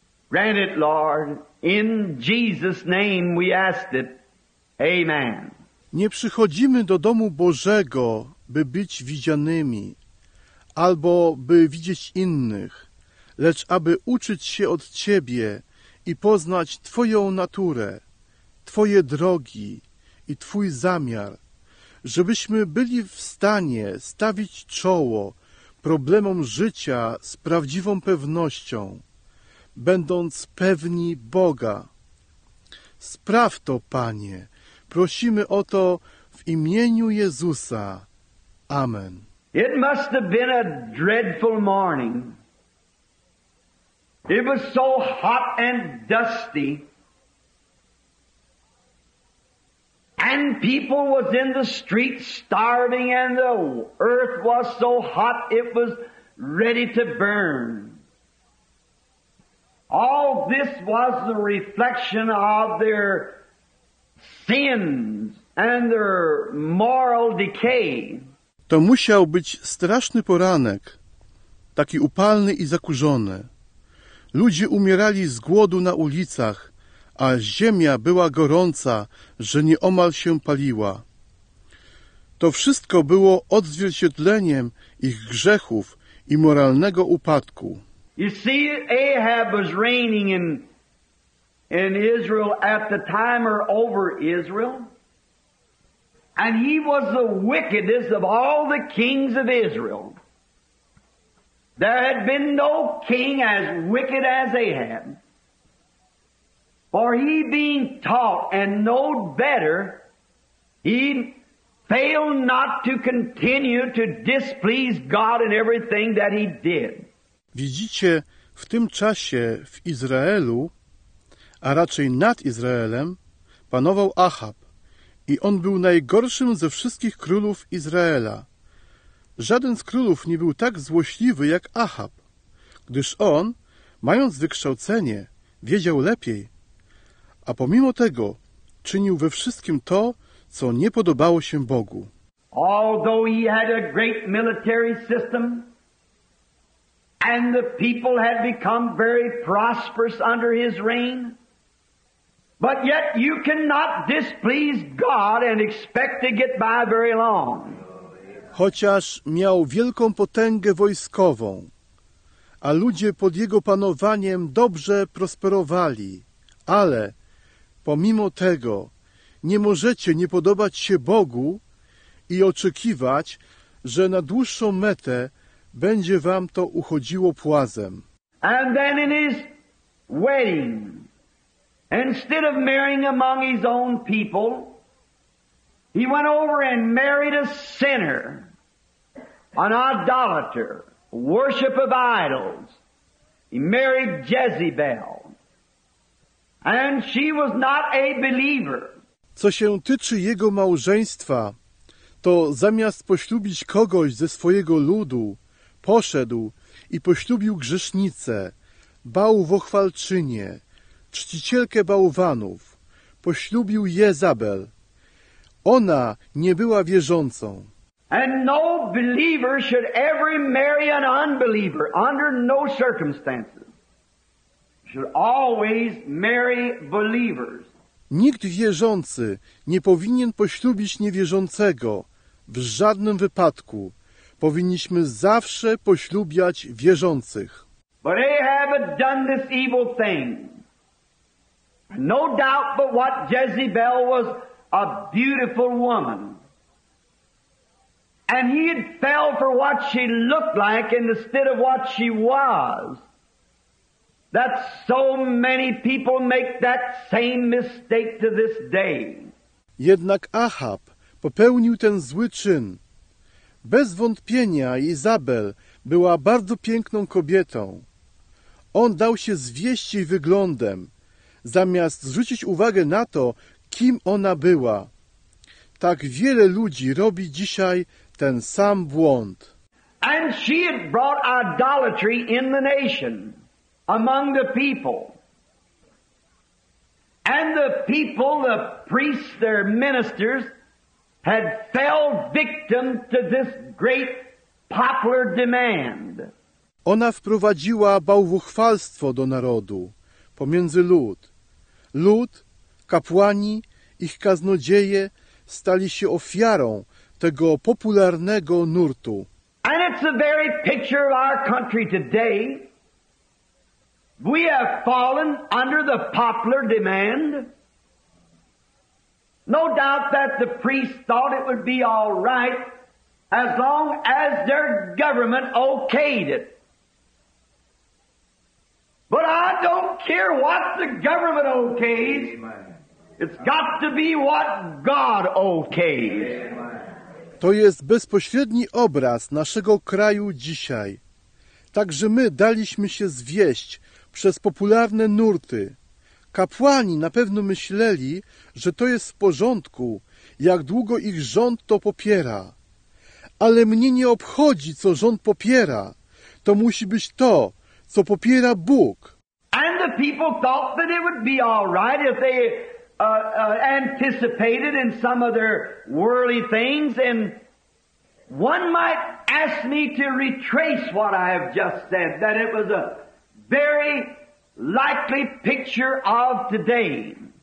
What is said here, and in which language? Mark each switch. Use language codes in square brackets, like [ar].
[en] Grant it, Lord, in Jesus' name we ask it. Amen. [pl] Nie przychodzimy do domu Bożego, by być widzianymi, albo by widzieć innych, lecz aby uczyć się od Ciebie i poznać Twoją naturę, Twoje drogi i Twój zamiar, żebyśmy byli w stanie stawić czoło problemom życia z prawdziwą pewnością, będąc pewni Boga. Spraw to, Panie. Prosimy o to w imieniu Jezusa. Amen. [en] It must have been a dreadful morning. It was so hot and dusty. And people was in the streets starving, and the earth was so hot it was ready to burn. All this was the reflection of their sins and their moral decay. [pl] To musiał być straszny poranek, taki upalny i zakurzony. Ludzie umierali z głodu na ulicach, a ziemia była gorąca, że nieomal się paliła. To wszystko było odzwierciedleniem ich grzechów i moralnego upadku. [en] You see, Ahab was reigning in Israel at the time, or over Israel. And he was the wickedest of all the kings of Israel. There had been no king as wicked as Ahab. For he being taught and knowed better, he failed not to continue to displease God in everything that he did. [pl] Widzicie, w tym czasie w Izraelu, a raczej nad Izraelem, panował Achab i on był najgorszym ze wszystkich królów Izraela. Żaden z królów nie był tak złośliwy jak Achab, gdyż on, mając wykształcenie, wiedział lepiej, a pomimo tego czynił we wszystkim to, co nie podobało się Bogu. [en] Although he had a great military system, and the people had become very prosperous under his reign, but yet you cannot displease God and expect to get by very long. [pl] Chociaż miał wielką potęgę wojskową, a ludzie pod jego panowaniem dobrze prosperowali, ale pomimo tego nie możecie nie podobać się Bogu i oczekiwać, że na dłuższą metę będzie wam to uchodziło płazem. [en] And then in his wedding, instead of marrying among his own people, he went over and married a sinner, an idolater, worship of idols. He married Jezebel. And she was not a believer. [pl] Co się tyczy jego małżeństwa, to zamiast poślubić kogoś ze swojego ludu, poszedł i poślubił grzesznicę, bałwochwalczynię, czcicielkę bałwanów. Poślubił Jezabel. Ona nie była wierzącą. [en] And no believer should ever marry an unbeliever under no circumstances. Should always marry believers. [pl] Nikt wierzący nie powinien poślubić niewierzącego w żadnym wypadku. Powinniśmy zawsze poślubiać wierzących. [en] But Ahab had done this evil thing. No doubt but what Jezebel was a beautiful woman. And he had fell for what she looked like instead of what she was. That so many people make that same mistake to this day. [pl] Jednak Ahab popełnił ten zły czyn. Bez wątpienia Jezabel była bardzo piękną kobietą. On dał się zwieść jej wyglądem, zamiast zwrócić uwagę na to, kim ona była. Tak wiele ludzi robi dzisiaj ten sam błąd. [en] And she had brought idolatry in the nation, among the people. And the people, the priests, their ministers, had fell victim to this great popular demand. [pl] Ona wprowadziła bałwochwalstwo do narodu, pomiędzy lud. Lud, kapłani, ich kaznodzieje stali się ofiarą tego popularnego nurtu. [en] And it's the very picture of our country today. We have fallen under the popular demand. No doubt that the priests thought it would be all right as long as their government okayed it. But I don't care what the government okays. It's got to be what God okays. [pl] To jest bezpośredni obraz naszego kraju dzisiaj. Także my daliśmy się zwieść przez popularne nurty. Kapłani na pewno myśleli, że to jest w porządku, jak długo ich rząd to popiera. Ale mnie nie obchodzi, co rząd popiera. To musi być to, co popiera Bóg. [en] And the people thought that it would be all right if they anticipated in some of their worldly things, and one might ask me to retrace what I have just said, that it was a very likely picture of today.